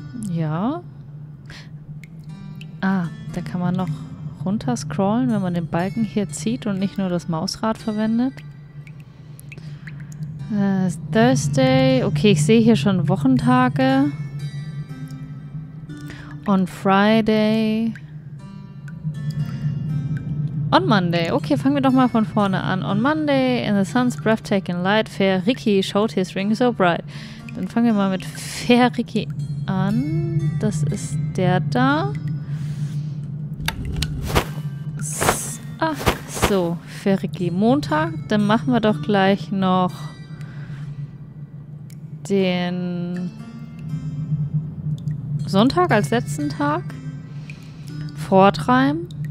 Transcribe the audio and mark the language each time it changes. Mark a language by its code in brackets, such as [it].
[de] Ja. Da kann man noch runter scrollen, wenn man den Balken hier zieht und nicht nur das Mausrad verwendet. Thursday. Okay, ich sehe hier schon Wochentage. [en] On Friday. On Monday. [de] Okay, fangen wir doch mal von vorne an. [en] On Monday, in the sun's breathtaking light, Fair Ricky showed his ring so bright. [de] Dann fangen wir mal mit Fair Ricky an. Das ist der da. Ach so, Fair Ricky Montag. Dann machen wir doch gleich noch den Sonntag als letzten Tag. Fortreim.